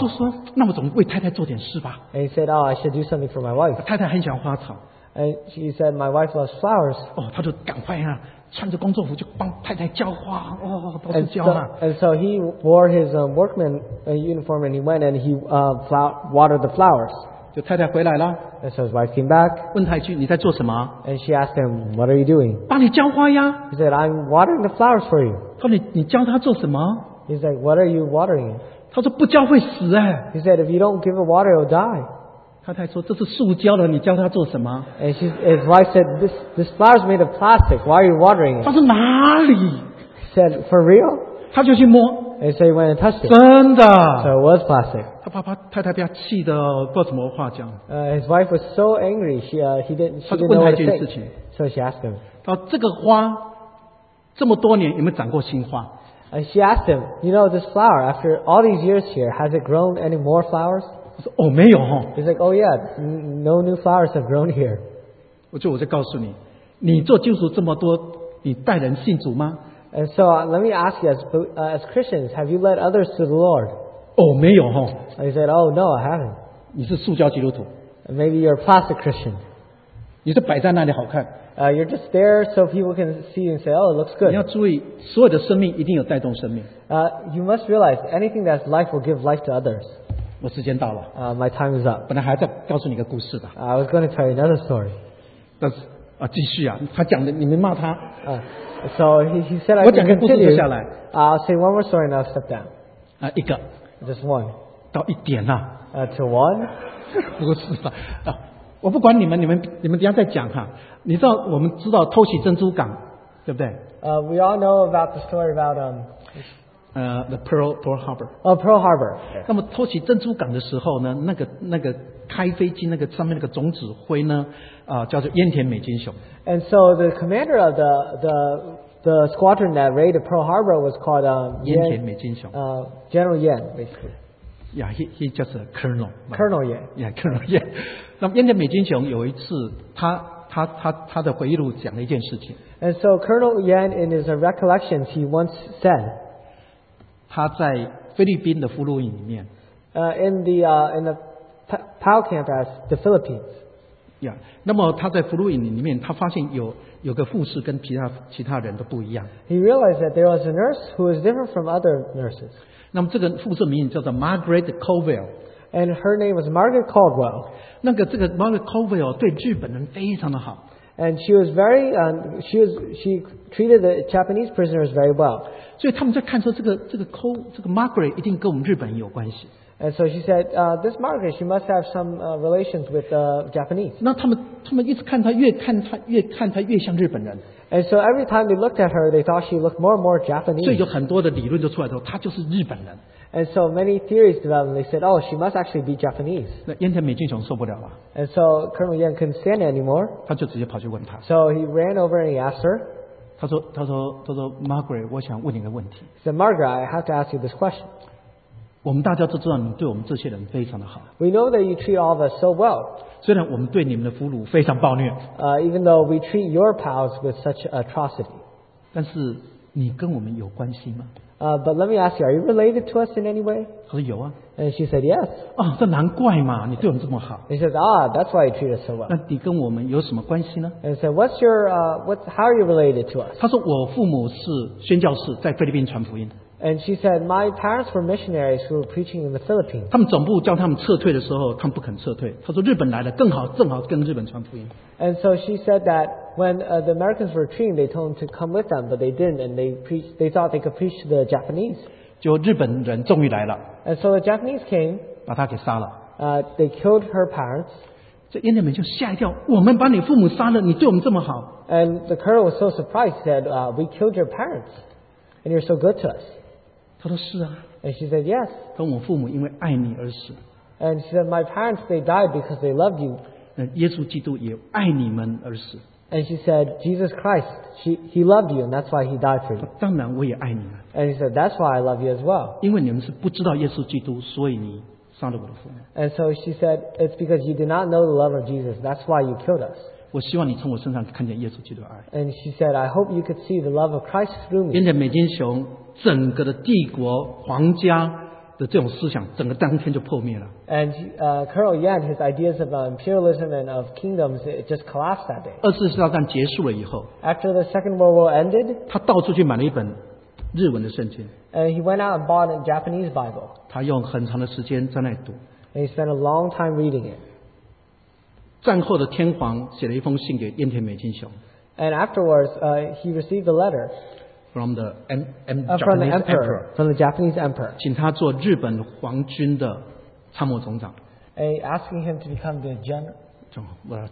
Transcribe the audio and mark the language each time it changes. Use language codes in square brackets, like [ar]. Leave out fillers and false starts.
[zh] 他说,那么总为太太做点事吧。 [en] And he said, oh, I should do something for my wife. [zh] 太太很喜欢花草。 [en] And she said, my wife loves flowers. [zh] 哦,他就赶快啊。穿着工作服就帮太太浇花，哦，都是浇嘛。 [en] And so he wore his workman uniform and he went and he watered the flowers. [zh] 就太太回来了。 [en] And so his wife came back. [zh] 问他一句你在做什么？ [en] And she asked him, what are you doing? [zh] 帮你浇花呀。 [en] He said, I'm watering the flowers for you. [zh] 他说你浇它做什么？ [en] He said, what are you watering? [zh] 他说不浇会死哎。 [en] He said, if you don't give it water, it'll die. [zh] 太太说,这是塑胶的,你教他做什么? [en] And his wife said, this flower is made of plastic, why are you watering it? [zh] 他说哪里? [en] He said, for real? [zh] 他就去摸, [en] and so he went and touched it. [zh] 真的? [en] So it was plastic. [zh] 太太被他气得不知道怎么话讲。 [en] His wife was so angry, she didn't know what to say. So she asked him, [zh] 这个花,这么多年有没有长过新花? [en] And she asked him, you know, this flower, after all these years here, has it grown any more flowers? [zh] 哦,没有哦。 [en] He's like, oh yeah, no new flowers have grown here. [zh] 我就告诉你, 你做基督徒这么多, 你带人信主吗? [en] And so let me ask you, as Christians, have you led others to the Lord? [zh] 哦,没有哦。 [en] And he said, oh no, I haven't. [zh] 你是塑胶基督徒。 [en] And maybe you're a plastic Christian. [zh] 你是摆在那里好看。 [en] You're just there so people can see and say, oh, it looks good. [zh] 你要注意, 所有的生命一定有带动生命。 [en] You must realize, anything that's life will give life to others. [zh] 我时间到了, [en] my time is up. [zh] 本来还在告诉你一个故事的, [en] I was going to tell you another story. [zh] 但是, 继续啊, 他讲的, 你们骂他, [en] so he said, I can continue. I'll say one more story and I'll step down. [zh] 一个, [en] just one. [zh] 到一点啊, [en] to one? [zh] 不是吧, 我不管你们, 你们等一下再讲啊, 你知道我们知道偷袭珍珠港, 对不对? [en] We all know about the story about the Pearl Harbor. Oh, Pearl Harbor. [zh] 那么托起珍珠港的时候呢，那个开飞机那个上面那个总指挥呢，叫做燕田美津雄。 [en] And so the commander of the squadron that raided Pearl Harbor was called [zh] 燕田美津雄。 [en] General Yan, basically. Yeah, he just a colonel. Colonel Yan. Yeah, Colonel Yan. [zh] 那么燕田美津雄有一次他的回忆录讲了一件事情。 [en] And so Colonel Yan, in his recollections, he once said. [zh] 他在菲律宾的俘虏营里面。 [en] In the POW camp as the Philippines. Yeah. [zh] 那么他在俘虏营里面，他发现有个护士跟其他人都不一样。 [en] He realized that there was a nurse who was different from other nurses. [zh] 那么这个护士名叫做 Margaret Colville。 [en] And her name was Margaret Caldwell. [zh] 那个这个 Margaret Caldwell 对日本人非常的好。 [en] And she was very, she treated the Japanese prisoners very well. [zh] 所以他们在看说这个 Margaret 一定跟我们日本有关系。 [en] And so she said, this Margaret, she must have some relations with the Japanese. [zh] 那他们一直看她，越看她越像日本人。 [en] And so every time they looked at her, they thought she looked more and more Japanese. [zh] 所以有很多的理论就出来说，她就是日本人。 [en] And so many theories developed. They said, "Oh, she must actually be Japanese." [zh] 那燕田美津雄受不了了。 [en] And so Colonel Yan couldn't stand it anymore. [zh] 他就直接跑去问他。 [en] So he ran over and he asked her. [zh] 他说 ，Margaret， 我想问你个问题。 [en] He said, "Margaret, I have to ask you this question." [zh] 我们大家都知道你对我们这些人非常的好。 [en] We know that you treat all of us so well. [zh] 虽然我们对你们的俘虏非常暴虐。 [en] Even though we treat your POWs with such atrocity. [zh] 但是你跟我们有关系吗？ [en] But let me ask you, are you related to us in any way? [zh] 他说有啊。 [en] And she said yes. [zh] 啊，这难怪嘛，你对我们这么好。 [en] He says, ah, that's why you treat us so well. [zh] 那你跟我们有什么关系呢？ [en] And said, what's your, how are you related to us? [zh] 他说我父母是宣教士，在菲律宾传福音。 [en] And she said, my parents were missionaries who were preaching in the Philippines. [zh] 他们总部叫他们撤退的时候，他们不肯撤退。他说日本来了，正好跟日本传福音。 [en] And so she said that when the Americans were retreating, they told them to come with them, but they didn't, and they thought they could preach to the Japanese. [zh] 就日本人终于来了。 [en] And so the Japanese came. [zh] 把他给杀了。 [en] They killed her parents. [zh] 这燕田美就吓一跳，我们把你父母杀了，你对我们这么好。 [en] And the colonel was so surprised, said, we killed your parents, and you're so good to us. [zh] 他说是啊。 [en] And she said, yes. [zh] 跟我父母因为爱你而死。 [en] And she said, my parents, they died because they loved you. [zh] 耶稣基督也爱你们而死。 [en] And she said, Jesus Christ, he loved you, and that's why he died for you. [zh] 当然我也爱你们。 [en] And he said, that's why I love you as well. [zh] 因为你们是不知道耶稣基督，所以你杀了我的父母。 [en] And so she said, it's because you did not know the love of Jesus, that's why you killed us. [zh] 我希望你从我身上看见耶稣基督的爱。 [en] And she said, I hope you could see the love of Christ through me. [zh] 燕田美津雄整个的帝国皇家的这种思想整个当天就破灭了。 [en] And Colonel Yan, his ideas of imperialism and of kingdoms, it just collapsed that day. [zh] 二次世界大战结束了以后， [en] after the Second World War ended, [zh] 他到处去买了一本日文的圣经。 [en] And he went out and bought a Japanese Bible. [zh] 他用很长的时间在那读。 [en] And he spent a long time reading it. [zh] 战后的天皇写了一封信给燕田美津雄。 [en] And afterwards, he received a letter. From the, from the emperor, from the Japanese emperor, [zh] 请他做日本皇军的参谋总长。 [en] Asking him to become the general, the